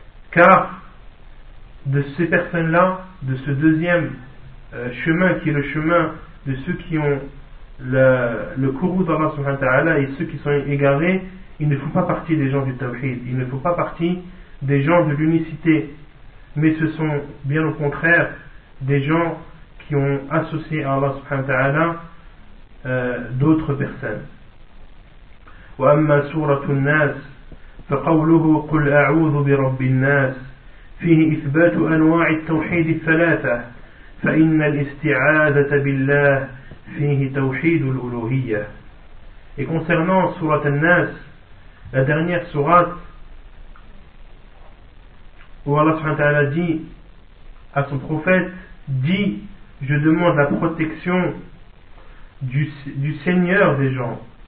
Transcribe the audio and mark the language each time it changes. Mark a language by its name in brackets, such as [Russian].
[French] Car de ces personnes-là, de ce deuxième chemin qui est le chemin de ceux qui ont le courroux d'Allah subhanahu wa ta'ala et ceux qui sont égarés, il ne faut pas partie des gens du tawhid, il ne faut pas partie des gens de l'unicité, mais ce sont bien au contraire des gens qui ont associé à Allah subhanahu wa ta'ala d'autres personnes. [Arabic] وأما سورة الناس فقوله قل أعوذ برب الناس فيه إثبات أنواع التوحيد الثلاثة فإن الاستعاذة بالله فيه توحيد الألوهية. [French] Et concernant سورة الناس, la dernière sourate, où Allah subhanahu wa ta'ala dit à son prophète, dit je demande la protection du Seigneur des gens.